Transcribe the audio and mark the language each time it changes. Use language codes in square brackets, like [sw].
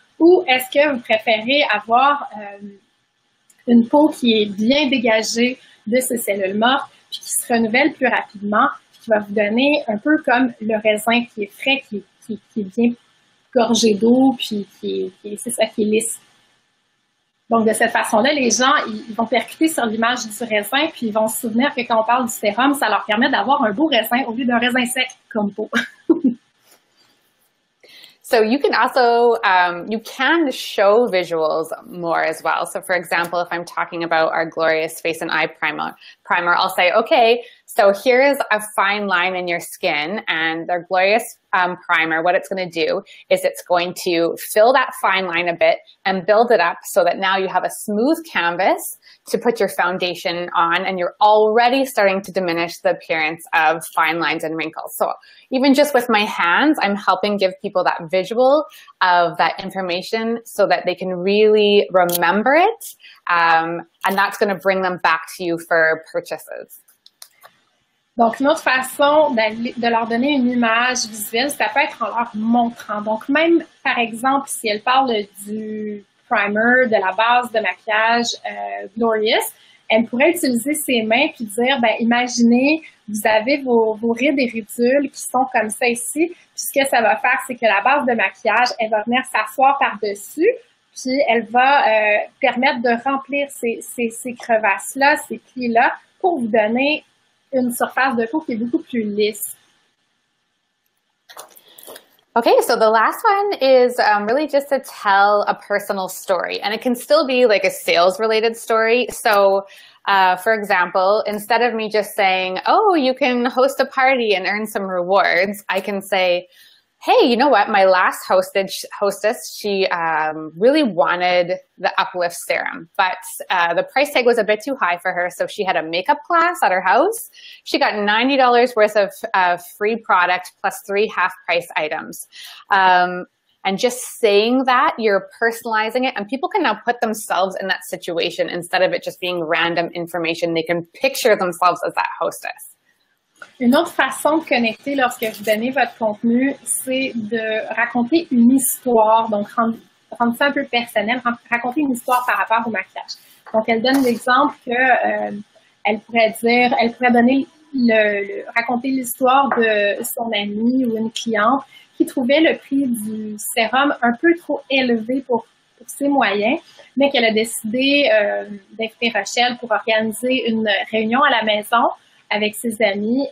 [fr] Ou est-ce que vous préférez avoir une peau qui est bien dégagée de ces cellules mortes, puis qui se renouvelle plus rapidement, puis qui va vous donner un peu comme le raisin qui est frais, qui est bien gorgé d'eau, puis c'est ça qui est lisse. Donc, de cette façon-là, les gens, ils vont percuter sur l'image du raisin, puis ils vont se souvenir que quand on parle du sérum, ça leur permet d'avoir un beau raisin au lieu d'un raisin sec comme peau. [en] So you can also, you can show visuals more as well. So for example, if I'm talking about our glorious face and eye primer, I'll say, okay, so here is a fine line in your skin and their glorious primer, what it's going to do is it's going to fill that fine line a bit and build it up so that now you have a smooth canvas to put your foundation on and you're already starting to diminish the appearance of fine lines and wrinkles. So even just with my hands, I'm helping give people that visual of that information so that they can really remember it. And that's going to bring them back to you for purchases. [fr] Donc, une autre façon de leur donner une image visuelle, ça peut être en leur montrant. Donc, même, par exemple, si elle parle du primer, de la base de maquillage Glorious, elle pourrait utiliser ses mains puis dire, ben imaginez, vous avez vos rides et ridules qui sont comme ça ici. Puis, ce que ça va faire, c'est que la base de maquillage, elle va venir s'asseoir par-dessus puis elle va permettre de remplir ces crevasses-là, ces plis-là, pour vous donner une surface de peau qui est beaucoup plus lisse. [en] Okay, so the last one is really just to tell a personal story, and it can still be like a sales-related story. So, for example, instead of me just saying, oh, you can host a party and earn some rewards, I can say, hey, you know what? My last hostess, she really wanted the Uplift Serum, but the price tag was a bit too high for her, so she had a makeup class at her house. She got $90 worth of free product plus 3 half-price items. And just saying that, you're personalizing it, and people can now put themselves in that situation instead of it just being random information. They can picture themselves as that hostess. [fr] Une autre façon de connecter lorsque vous donnez votre contenu, c'est de raconter une histoire, donc rendre ça un peu personnel, raconter une histoire par rapport au maquillage. Donc, elle donne l'exemple que raconter l'histoire de son amie ou une cliente qui trouvait le prix du sérum un peu trop élevé pour ses moyens, mais qu'elle a décidé d'inviter Rochelle pour organiser une réunion à la maison avec ses amis.